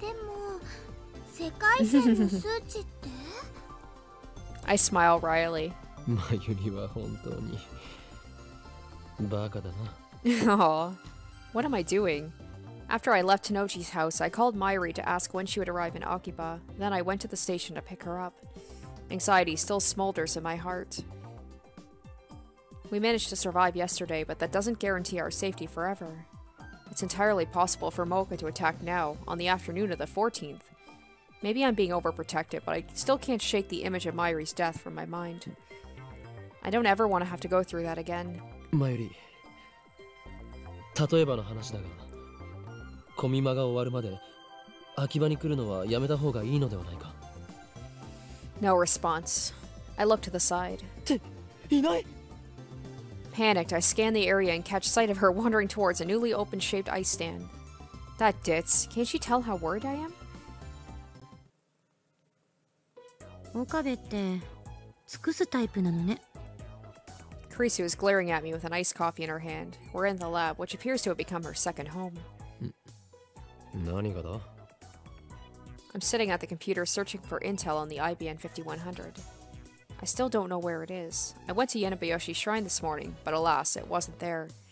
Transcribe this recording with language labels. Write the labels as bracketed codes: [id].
[ja] でも、世界線の数値って [en] ？I smile wryly. [ja] マユリは本当にバカだな。 [en] Aww. What am I doing? After I left Tennoji's house, I called Mairi to ask when she would arrive in Akiba, then I went to the station to pick her up. Anxiety still smolders in my heart. We managed to survive yesterday, but that doesn't guarantee our safety forever. It's entirely possible for Mocha to attack now, on the afternoon of the 14th. Maybe I'm being overprotective, but I still can't shake the image of Mairi's death from my mind. I don't ever want to have to go through that again. Mayuri. [ja] 例えばの話だが、コミマが終わるまで秋葉に来るのはやめた方がいいのではないか。 [en] No response. I look to the side. [ja] いない。 [en] Panicked, I scan the area and catch sight of her wandering towards a newly opened shaped ice stand. That ditz. Can't she tell how worried I am? [ja] 岡部って尽くすタイプなのね。 [en] Chrissy was glaring at me with an iced coffee in her hand. We're in the lab, which appears to have become her second home. [ja] 何がだ? [en] I'm sitting at the computer searching for intel on the IBN 5100. I still don't know where it is. I went to Yenabayoshi Shrine this morning, but alas, it wasn't there.